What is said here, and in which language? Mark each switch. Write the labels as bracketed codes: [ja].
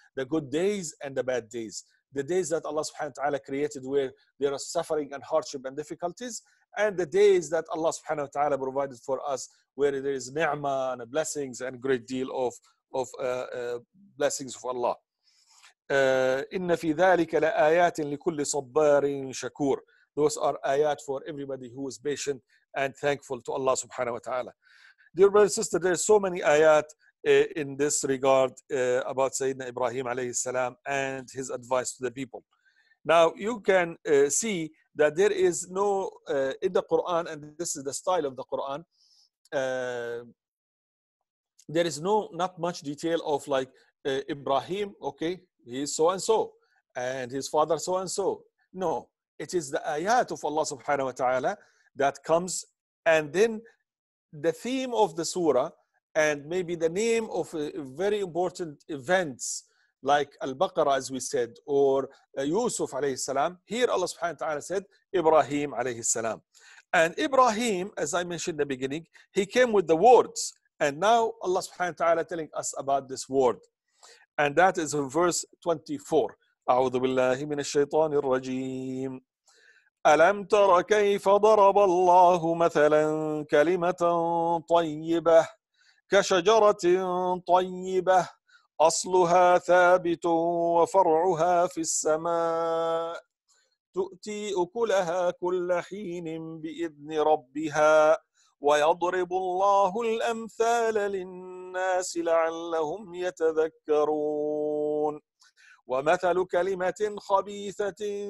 [en] The good days and the bad days. The days that Allah subhanahu wa ta'ala created where there are suffering and hardship and difficulties. And the days that Allah subhanahu wa ta'ala provided for us where there is ni'mah and blessings and great deal of blessings of Allah. [ar] إن في ذلك لآيات لكل صبار شكور. [en] Those are ayat for everybody who is patient and thankful to Allah subhanahu wa ta'ala. Dear brother and sister, there are so many ayat in this regard about Sayyidina Ibrahim alayhi salam and his advice to the people. Now you can see that there is no in the Quran, and this is the style of the Quran, there is not much detail of like Ibrahim, okay, he is so-and-so, and his father so-and-so. No, it is the ayat of Allah subhanahu wa ta'ala that comes, and then the theme of the surah, and maybe the name of very important events, like Al-Baqarah, as we said, or Yusuf alayhi salam. Here Allah subhanahu wa ta'ala said, Ibrahim alayhi salam. And Ibrahim, as I mentioned in the beginning, he came with the words, and now Allah subhanahu wa ta'ala telling us about this word. And that is in verse 24. [ar] أعوذ بالله من الشيطان الرجيم. ألم تر كيف ضرب الله مثلا كلمة طيبة كشجرة طيبة أصلها ثابت وفرعها في السماء تؤتي أكلها كل حين بإذن ربها ويضرب الله الأمثال للناس لعلهم يتذكرون ومثل كلمة خبيثة